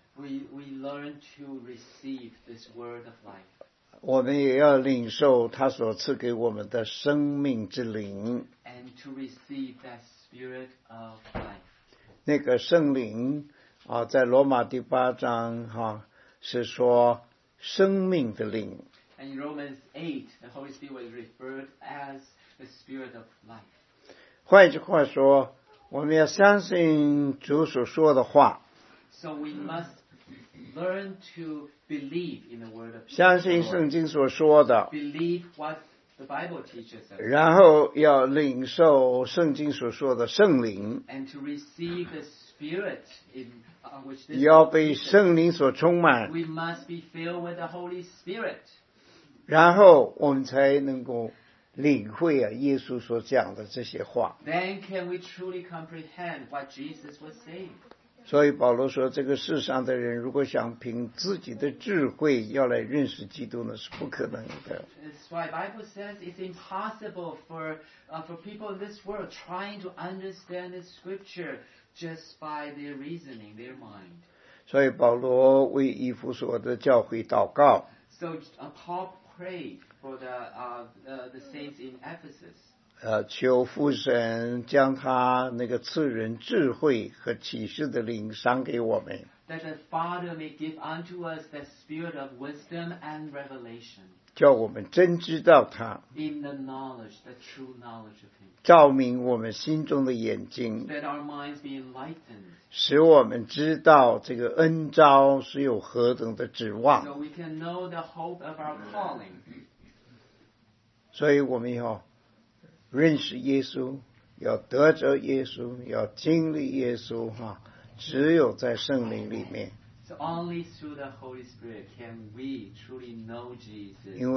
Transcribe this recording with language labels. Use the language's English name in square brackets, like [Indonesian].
[English] We learn to receive this word of life. [Chinese] 我们也要领受他所赐给我们的生命之灵。 [English] And to receive that spirit of life. [Chinese] 那个圣灵在罗马第八章是说生命的灵。 [English] And in Romans 8, the Holy Spirit was referred as the Spirit of life. [Chinese] 换一句话说，我们要相信主所说的话。 [English] So we must learn to believe in the word of God. [Chinese] 相信圣经所说的。 [English] Believe what the Bible teaches us. [Chinese] 然后要领受圣经所说的圣灵。 [English] And to receive the Spirit in [Chinese] 要被圣灵所充满， [English] We must be filled with the Holy Spirit. [Chinese] 然后我们才能够领会耶稣所讲的这些话。 [English] Then can we truly comprehend what Jesus was saying? [Chinese] 所以保罗说，这个世上的人如果想凭自己的智慧要来认识基督呢，是不可能的。 [English] That's why Bible says it's impossible for people in this world trying to understand the Scripture. Just by their reasoning, their mind. [Chinese] 所以保罗为以弗所的教会祷告。 [English] So Paul prayed for the saints in Ephesus. [Chinese] 求父神将他那个赐人智慧和启示的灵赏给我们。 [English] That the Father may give unto us the spirit of wisdom and revelation. [Chinese] 叫我们真知道他。 [English] In the knowledge, the true knowledge of him. [Chinese] 照明我们心中的眼睛， [English] that our minds be enlightened. [Chinese] 使我们知道这个恩召是有何等的指望。 [English] So we can know the hope of our calling. [Chinese] 所以我们要认识耶稣，要得着耶稣，要经历耶稣，只有在圣灵里面。 [English] So only through the Holy Spirit can we truly know Jesus.